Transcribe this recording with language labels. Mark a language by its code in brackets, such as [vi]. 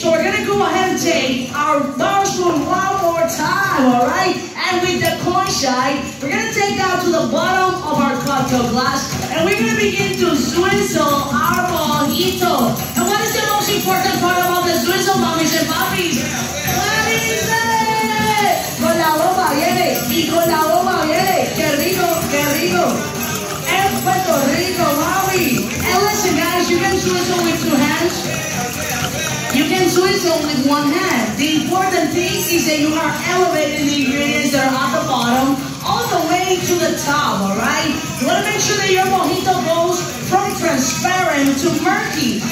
[en] So we're going to go ahead and take our bar spoon one more time, all right? And with the coin shy, we're going to take that to the bottom of our cocktail glass, and we're going to begin to swizzle our mojito. And what is the most important part about the swizzle, mommies and puppies? What is it? [es] Con la bomba viene, y con la bomba viene. Qué rico, qué rico. En Puerto Rico, mommy. [en] And listen, guys, you can swizzle with two hands. You can swizzle with one hand. The important thing is that you are elevating the ingredients that are at the bottom all the way to the top, all right? You want to make sure that your mojito goes from transparent to murky.